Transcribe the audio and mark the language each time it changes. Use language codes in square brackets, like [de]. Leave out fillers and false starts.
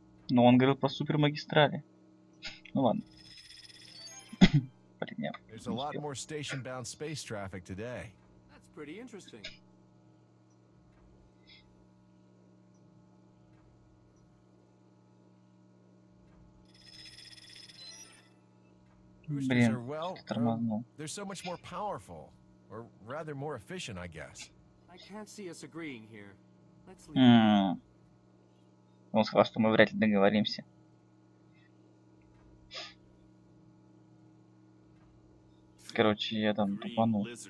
[ru] Но он говорил по супермагистрали. Ну ладно. например. [en] There's a lot more station-bound space traffic today. That's pretty interesting. [ru] Блин, тормознул. [en] They're so much more powerful, or rather more efficient, I guess. I can't see us agreeing here. Let's leave. [ru] Он сказал, что мы вряд ли договоримся. Короче, я там тупанул.